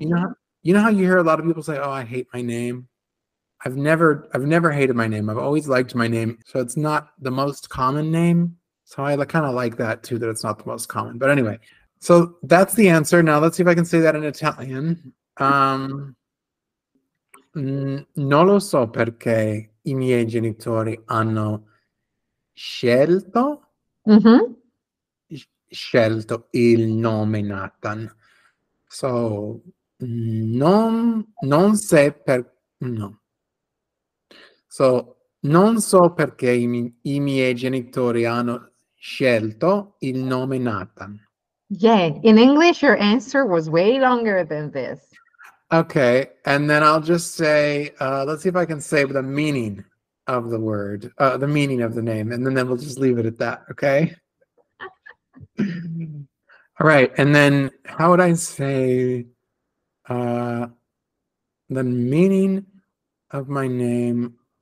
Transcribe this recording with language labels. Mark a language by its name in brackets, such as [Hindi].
[English] You know how you hear a lot of people say, "Oh, I hate my name." I've never hated my name. I've always liked my name. So it's not the most common name. So I kind of like that too, that it's not the most common. But anyway, so that's the answer. Now let's see if I can say that in Italian. [Italian] Non lo so perché i miei genitori hanno scelto, mm-hmm. scelto il nome Nathan. So non se per no. So Non so perché i miei genitori hanno scelto il nome Nathan. [English] Yeah, in English, your answer was way longer than this. Okay, and then I'll just say, let's see if I can say the meaning of the word, the meaning of the name, and then we'll just leave it at that, okay? All right, and then how would I say the meaning of my name?